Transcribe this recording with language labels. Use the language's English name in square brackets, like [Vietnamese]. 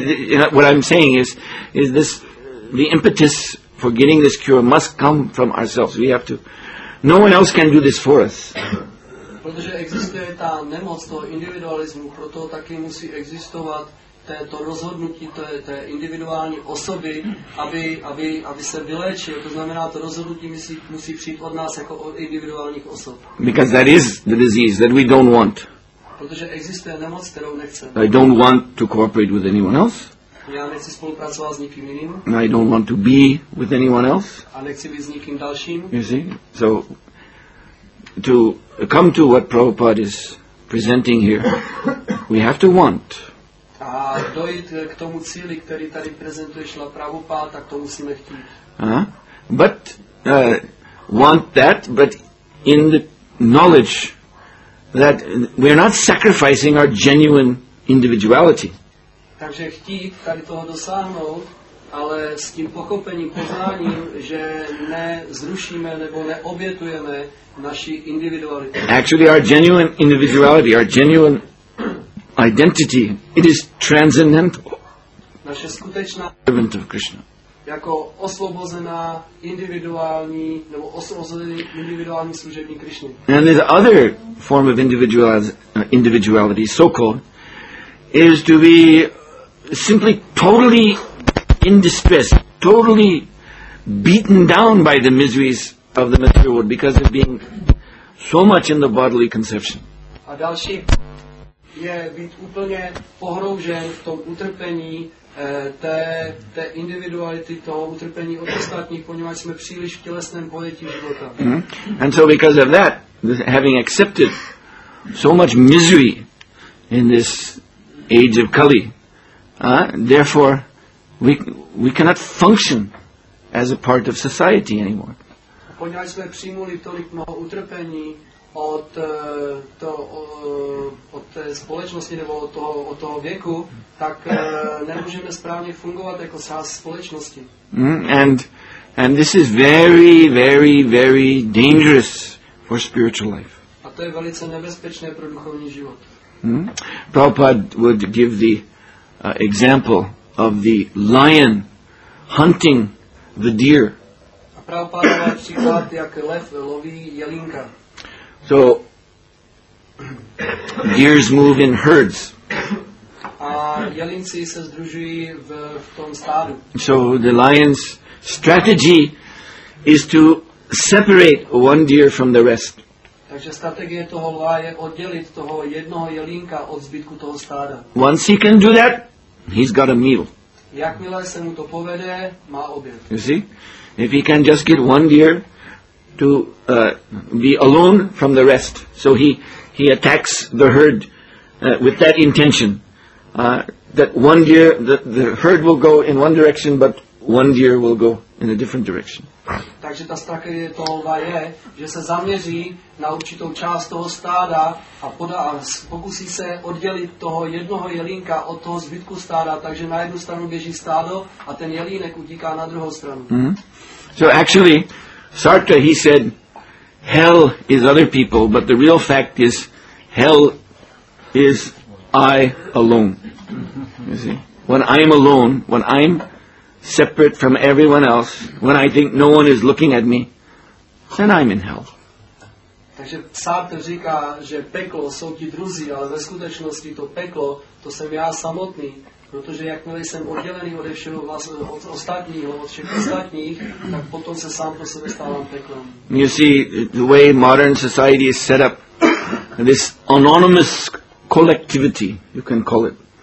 [English] What I'm saying is this: the impetus for getting this cure must come from ourselves. We have to. No one else can do this for us. [Czech] Protože existuje ta nemoc toho individualismu, proto taky musí existovat to rozhodnutí té individuální osoby, aby se vyléčil. To znamená, to rozhodnutí musí přijít od nás jako od individuálních osob. [English] Because that is the disease that we don't want. [Czech] Protože existuje nemoc, kterou nechceme. [English] I don't want to cooperate with anyone else. [Czech] Já nechci spolupracovat s nikým jiným. [English] I don't want to be with anyone else. [Czech] A nechci být s nikým dalším. [English] You see? So, to come to what Prabhupada is presenting here, we have to want. [Czech] A dojít k tomu cíli, který tady prezentuje Srila Prabhupada, tak to musíme chtít. [English] But want that, but in the knowledge that we are not sacrificing our genuine individuality. [Czech] Takže chtít tady toho dosáhnout, ale s tím pochopením, poznáním, že nezrušíme nebo neobětujeme naši individualitu. [English] Actually our genuine individuality, our genuine identity, it is transcendental. [Czech] Naše skutečná [English] servant of Krishna. [Czech] Jako osvobozená individuální nebo osvobozený individuální služebník Krishna. [English] And the other form of individuality, so-called, is to be simply totally in distress, totally beaten down by the miseries of the material world because of being so much in the bodily conception. [Czech] A další je být úplně pohroužen v tom utrpení té individuality, toho utrpení od ostatních, poněvadž jsme příliš v tělesném pojetí života. [English] And so because of that, having accepted so much misery in this age of Kali, therefore we cannot function as a part of society anymore. [Czech] Poněvadž jsme přijmuli tolik mnoho utrpení od té společnosti nebo od toho věku, tak nemůžeme správně fungovat jako část společnosti. [English] And this is very, very, very dangerous for spiritual life. [Czech] A to je velice nebezpečné pro duchovní život. [English] Prabhupada would give the example of the lion hunting the deer. [Czech] A Prabhupada dává příklad, jak lev loví jelínka. [English] So, Deers move in herds. [Czech] A jelinci se združují v tom stádu. [English] So the lion's strategy is to separate one deer from the rest. [Czech] Takže strategie toho lva je oddělit toho jednoho jelínka od zbytku toho stáda. [English] Once he can do that, he's got a meal. [Czech] Jakmile se mu to povede, má oběd. [English] You see? If he can just get one deer to be alone from the rest, so he attacks the herd with that intention. That one deer, the herd will go in one direction, but one deer will go in a different direction. [Czech] Takže ta strategie toho lva je, že se zaměří na určitou část toho stáda a pokusí se oddělit toho jednoho jelínka od toho zbytku stáda, takže na jednu stranu běží stádo a ten jelínek utíká na druhou stranu. Mm-hmm. [English] So actually, Sartre, he said, hell is other people, but the real fact is, hell is I alone. You see? When I'm alone, when I'm separate from everyone else, when I think no one is looking at me, then I'm in hell. [Czech] Takže Sartre říká, že peklo jsou ti druzí, ale ve skutečnosti to peklo, to jsem já samotný, protože jakmile jsem oddělený ode všeho od ostatního, od všech ostatních, tak potom se sám pro sebe stávám peklem. [English] You see, the way modern society is set up, this anonymous collectivity, you can call it.